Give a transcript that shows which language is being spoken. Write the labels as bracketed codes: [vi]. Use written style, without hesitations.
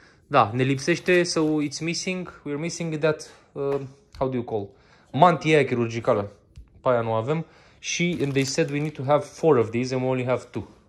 [ro] Da, ne lipsește, [en] so it's missing, we're missing that, how do you call? [ro] Mantia chirurgicală, pe aia nu avem. [en] Și, and they said we need to have 4 of these and we only have 2.